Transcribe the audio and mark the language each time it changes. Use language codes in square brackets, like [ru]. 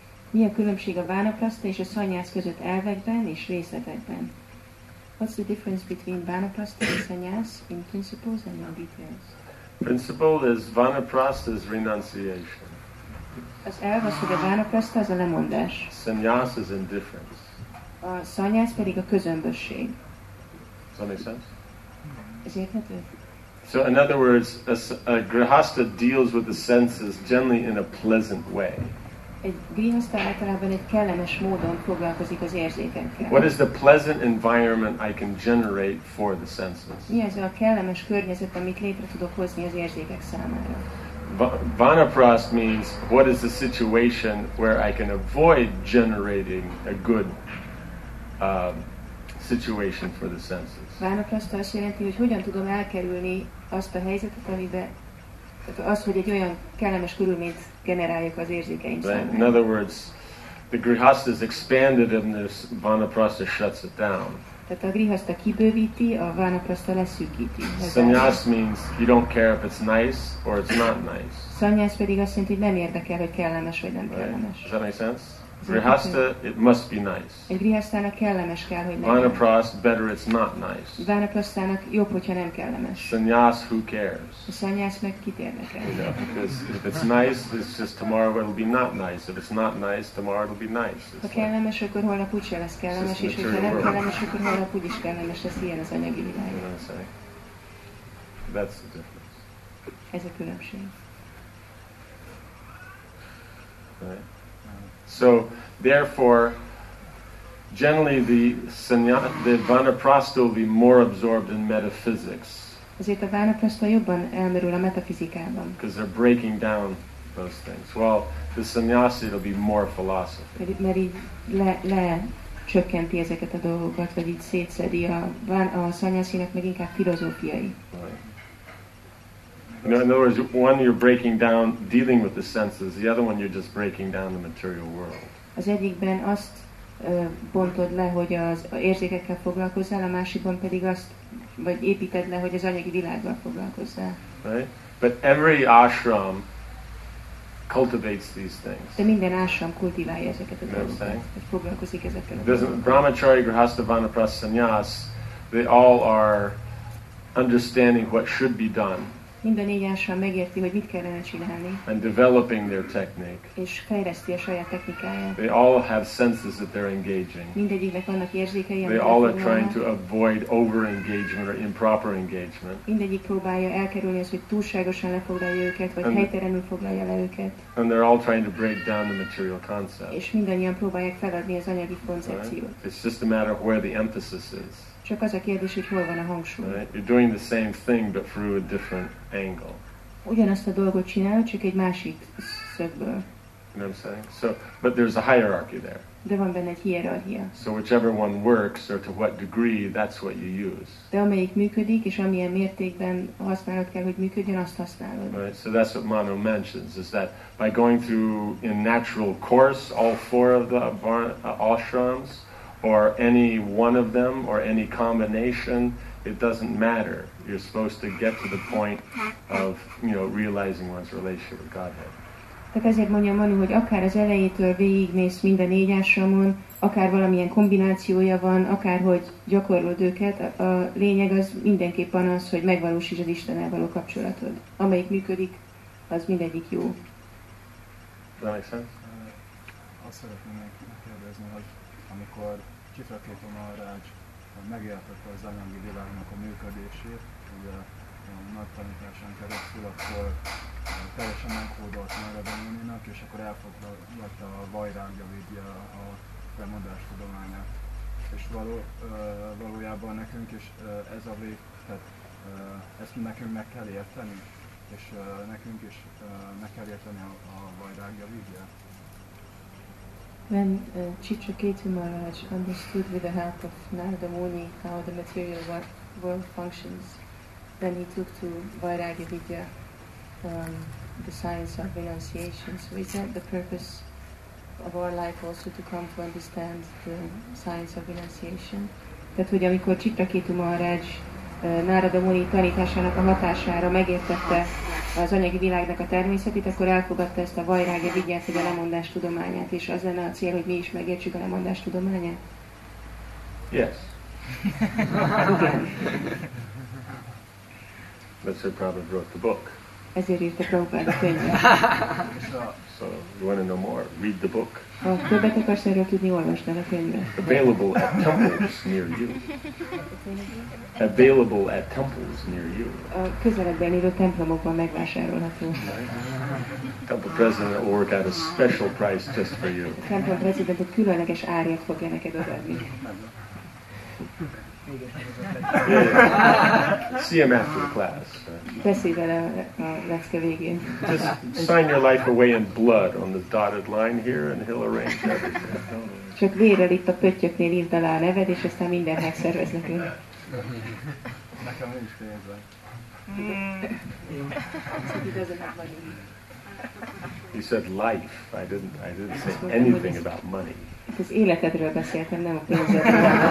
[hu] Mi a különbség a vanaprasta és a szanyász között elvekben és részletekben? [en] What's the difference between vanaprasta and sanyas in principles and in details? Principle is vanaprasta is renunciation. [hu] Az elv az, hogy a vanaprasta az a lemondás. [en] Sanyas is indifference. [hu] A szanyász pedig a közömbösség. [en] Does that make sense? [hu] Ez érthető? [en] So in other words, a grihastha deals with the senses generally in a pleasant way. [hu] Egy grihastha általában egy kellemes módon foglalkozik az érzékekkel. [en] What is the pleasant environment I can generate for the senses? [hu] Mi az a kellemes környezet, amit létre tudok hozni az érzékek számára? [en] Vanaprast means what is the situation where I can avoid generating a good situation for the senses. [hu] Vanaprasta azt jelenti, hogy hogyan tudom elkerülni azt a helyzetet, amiben az, hogy egy olyan kellemes körülményt generáljuk az érzékeim számára. [en] In other words, the grihastha is expanded and the vanaprasta shuts it down. [hu] Tehát a grihastha kibővíti, a vanaprasta leszűkíti. [en] Sanyas means you don't care if it's nice or it's not nice. [hu] Sanyas pedig azt jelenti, hogy nem érdekel, hogy kellemes vagy nem kellemes. [en] Does that make sense? Grihastha, it must be nice. [hu] Egy grihasztának kellemes kell, hogy legyen. [en] Vanaprast, better it's not nice. [hu] Vanaprasztának jobb, hogyha nem kellemes. [en] Sanyas, who cares? [hu] A sanyász meg kit érdekel? [en] If it's nice, it's just tomorrow it'll be not nice. If it's not nice, tomorrow it'll be nice. [hu] Ha kellemes, akkor holnap úgy se lesz kellemes, és hogyha nem kellemes, akkor holnap úgy is kellemes lesz, ilyen az anyagi világ. [en] You know what I'm saying? That's the difference. [hu] Ez a különbség. [en] So, therefore, generally the vanaprasta will be more absorbed in metaphysics. [hu] Ezért a vanaprasta jobban elmerül a metafizikában. [en] Because they're breaking down those things. Well, the sannyasi will be more philosophy. [hu] Mert így lecsökkenti ezeket a dolgokat, vagy így szétszedi a sannyasinak meg inkább filozófiai. [en] You know, in other words, one you're breaking down dealing with the senses, the other one you're just breaking down the material world. [hu] Az egyikben azt bontod le, hogy az érzékekkel foglalkozzál, a másikban pedig azt, vagy építed le, hogy az anyagi világgal foglalkozzál. [en] Right? But every ashram cultivates these things. [hu] De minden ashram kultiválja ezeket a dolgokat. Foglalkozik ezekkel a dolgokat. [en] Brahmacharya, grihastha, vanaprastha, sannyas, they all are understanding what should be done. [hu] mind a négy ásrám megérti, hogy mit kellene csinálni. [en] And developing their technique. [hu] És fejleszti a saját technikáját. [en] They all have senses that they're engaging. [hu] Mindegyiknek vannak érzékei. [en] They all are trying to avoid over-engagement or improper engagement. [hu] Mindegyik próbálja elkerülni azt, hogy túlságosan lefoglalja őket, vagy helytelenül foglalja le őket. [en] And they're all trying to break down the material concept. [hu] És mindannyian próbálják feladni az anyagi koncepciót. [en] Right? It's just a matter of where the emphasis is. [hu] Csak az a kérdés, hogy hol van a hangsúly. [en] Right? You're doing the same thing, but through a different angle. [hu] Ugyanazt a dolgot csinál, csak egy másik szögből. [en] You know what I'm saying? So, but there's a hierarchy there. [hu] De van benne egy hierarchia. [en] So whichever one works, or to what degree, that's what you use. [hu] De amelyik működik, és amilyen mértékben használod kell, hogy működjön, azt használod. [en] Right? So that's what Manu mentions, is that by going through in natural course all four of the ashrams, or any one of them, or any combination, it doesn't matter. You're supposed to get to the point of, you know, realizing one's relationship with Godhead. [hu] Tehát ezért mondja Manu, hogy akár az elejétől végigmész mind a négy ásramon, akár valamilyen kombinációja van, akár hogy gyakorlod őket, a lényeg az mindenképpen az, hogy megvalósítsd az Istennel való kapcsolatod. Amelyik működik, az mindegyik jó. [en] That makes sense? [hu] Azt szeretném megkérdezni, hogy amikor Csitraketu Maharaj megértette az anyagi világnak a működését, ugye a nagy tanításán keresztül, akkor teljesen meghódolt Narada Muninak, és akkor elfoglalta a Vajrágya Vidya a bemondás tudományát. És valójában nekünk is ez a vég, tehát ezt nekünk meg kell érteni, és nekünk is meg kell érteni a Vajrágya Vidya. [en] When Chitraketu Maharaj understood with the help of Narada Muni how the material world functions, then he took to Vairagya Vidya, the science of renunciation. So is that the purpose of our life also to come to understand the science of renunciation? [hu] Tehát, hogy amikor Chitraketu Maharaj Narada Muni tanításának a hatására megértette az anyagi világnak a természetét, akkor elfogadta ezt a Vajrágya Vidyát, hogy a lemondás tudományát, és az lenne a cél, hogy mi is megértsük a lemondás tudományát? [en] Yes. That's why Prabhupada wrote the book. [hu] Ezért írta Prabhupada a könyvet. [en] So, you want to know more? Read the book. [hu] Ha többet akarsz erről tudni, olvasd el a könyvet. [en] Available at temples near you. Available at temples near you. [hu] A közeledben lévő templomokban megvásárolható. [en] Temple president will work out a special price just for you. [hu] A templom president egy különleges árat fogja neked adni. [en] See him after the class. [hu] Beszélj vele a lecke végén. [en] Just sign your life away in blood on the dotted line here and he'll arrange everything. [hu] Csak vérrel itt a pöttyöknél írd alá a neved, és aztán mindent megszervez nekünk. Nekem nincs pénzem. [en] You said life. I didn't say anything about money. [hu] Itt az életedről beszéltem, nem a pénzedről.